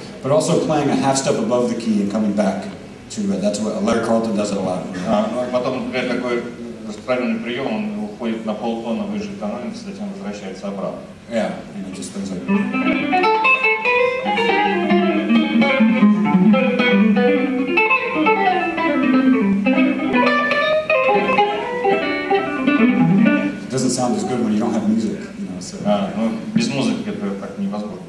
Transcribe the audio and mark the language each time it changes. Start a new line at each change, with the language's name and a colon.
English: also playing a half step above the key and coming back to it. That's what Larry Carlton does it a lot.
Russian: Потом, например, такой правильный прием, он уходит на полтона выше тона, затем возвращается обратно.
English: Yeah, and it just goes like... It doesn't sound as good when you don't have music, you know, so...
Russian: Ну, без музыки это так невозможно.